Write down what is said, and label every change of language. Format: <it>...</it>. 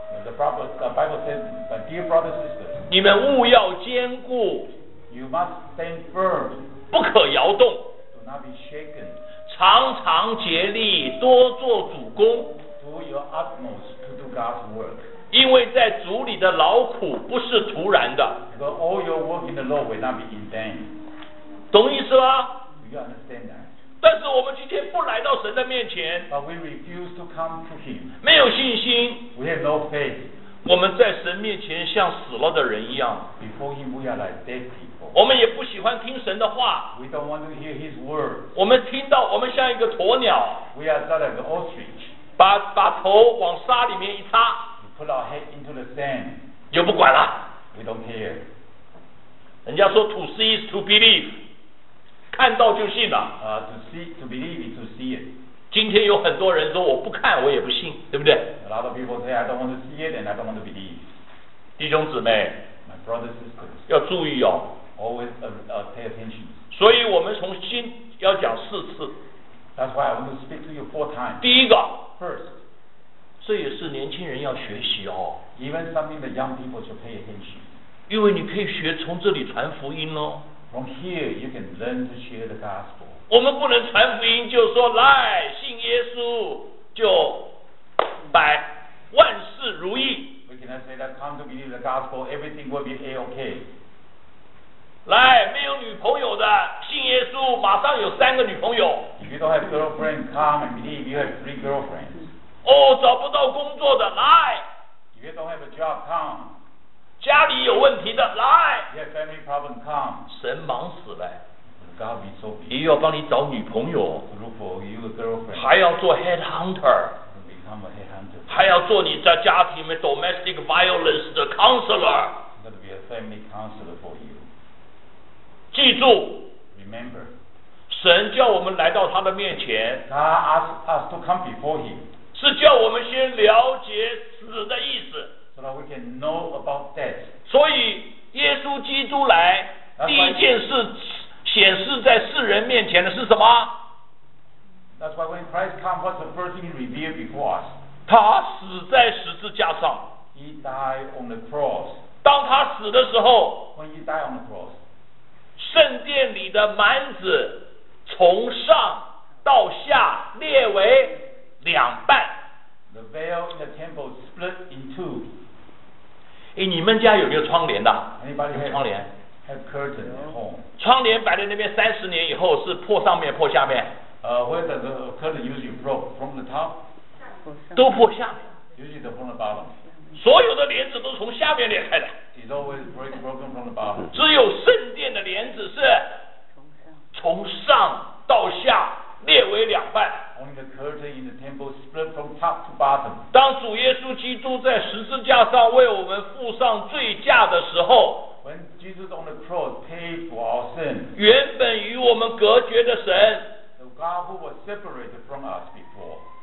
<en>The Bible says, my dear brothers and sisters.</en> <zh>你们务要坚固。</zh> <en>You must stand firm.</en> <zh>不可摇动。</zh> <en>Do not be shaken.</en> <zh>常常竭力多做主工</zh> <en>do your utmost to do God's work.</en> <zh>因为在主里的劳苦不是徒然的</zh> <en>Because all your work in the Lord will not be in vain.</en> <zh>懂意思吗</zh> <en>Do you understand that?</en> <zh>但是我们今天不来到神的面前</zh> <en>But we refuse to come to him.</en> <zh>没有信心</zh> <en>We have no faith.</en> <zh>我们在神面前像死了的人一样</zh> <en>Before him we are like dead people.</en> <zh>我们也不喜欢听神的话</zh> <en>We don't want to hear his words.</en> <zh>我们听到我们像一个鸵鸟</zh> <en>We are like an ostrich.</en> <zh>把头往沙里面一插</zh> <en>We put our head into the sand.</en> <zh>又不管了</zh> <en>We don't care.</en> <zh>人家说</zh> <en>to see is to believe.</en> <zh>看到就信了</zh> <en>To believe is to see it.</en> <zh>今天有很多人说我不看我也不信对不对</zh> <en>A lot of people say I don't want to see it and I don't want to believe.</en> <zh>弟兄姊妹</zh> <en>My brothers and sisters.</en> <zh>要注意哦</zh> <en>Always pay attention.</en> <zh>所以我们从心要讲四次。</zh> <en>That's why I want to speak to you four times.</en> <zh>第一个</zh> <en>First.</en> <zh>这也是年轻人要学习哦。</zh> <en>Even something that young people should pay attention.</en> <zh>因为你可以学从这里传福音哦。</zh> <en>From here you can learn to share the gospel.</en> <zh>我们不能传福音就说来信耶稣就百万事如意。</zh> <en>We cannot say that come to believe the gospel everything will be A-OK.</en> <zh>来没有女朋友的信耶稣马上有三个女朋友</zh> <en>If you don't have girlfriend come and believe you have three girlfriends</en> <zh>哦找不到工作的来</zh> <en>If you don't have a job come</en> <zh>家里有问题的来</zh> <en>If you have family problem come</en> <zh>神忙死了</zh> <en>God be so busy</en> <zh>也要帮你找女朋友</zh> <en>Look for you a girlfriend</en> <zh>还要做 headhunter</zh> <en>Become a headhunter</en> <zh>还要做你在家庭的</zh> <en>domestic violence</en> <zh>的 counselor</zh> <en>You gotta be a family counselor for you</en> <zh>记住</zh> <en>Remember,</en> <zh>神叫我们来到他的面前</zh> <en>God asked us to come before him</en> <zh>是叫我们先了解死的意思</zh> <en>So that we can know about death</en> <zh>所以耶稣基督来第一件事显示在世人面前的是什么</zh> <en>That's why when Christ comes what's the first thing revealed before us</en> <zh>他死在十字架上</zh> <en>He died on the cross</en> <zh>当他死的时候</zh> <en>When he died on the cross</en> <zh>圣殿里的幔子从上到下列为两半。</zh> <en>The veil in the temple split in two.</en> <zh>哎，你们家有没有窗帘的？</zh> <en>Anybody have</en> <zh>有窗帘？</zh> <en>Have curtain at home.</en> <zh>窗帘摆在那边三十年以后是破上面破下面？</zh> <en>Where does the curtain usually broke from the top?</en> <zh>都破下面。</zh> <en>Usually from the bottom.</en> <zh>所有的帘子都从下面裂开的</zh> <en>It's always broken from the bottom.</en> <zh>只有圣殿的帘子是从上到下裂为两半</zh> <en>Only the curtain in the temple split from top to bottom.</en> <zh>当主耶稣基督在十字架上为我们付上罪价的时候</zh> <en>When Jesus on the cross paid for our sin</en> <zh>原本与我们隔绝的神</zh> <en>The God who was separated from us before</en>